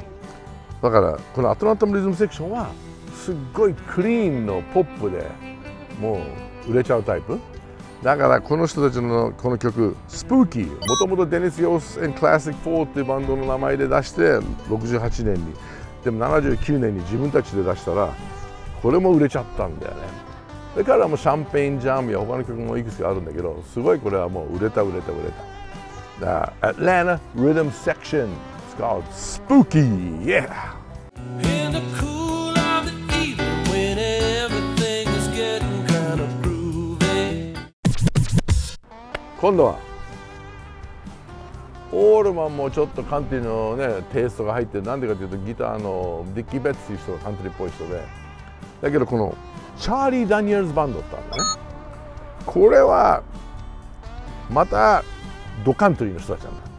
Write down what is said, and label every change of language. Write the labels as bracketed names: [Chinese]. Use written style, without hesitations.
[Japanese] ね、だからこのアトランタムリズムセクションはすっごいクリーンのポップでもう売れちゃうタイプだから、この人たちのこの曲スプーキー、もともとデニス・ヨース&クラシック4っていうバンドの名前で出して68年に、でも79年に自分たちで出したらこれも売れちゃったんだよね。だからもうシャンペイン・ジャムや他の曲もいくつかあるんだけど、すごいこれはもう売れた売れた売れた。だからアトランタリズムセクション [English] Called Spooky, yeah! In the cool of the evening when everything is getting kind of groovy. [Japanese] 今度はオールマンもちょっとカントリーのねテイストが入ってる。なんでかというとギターのディッキー・ベッツという人がカントリーっぽい人で、だけどこのチャーリー・ダニエルズバンドってあるんだね。これはまたドカントリーの人たちなんだ。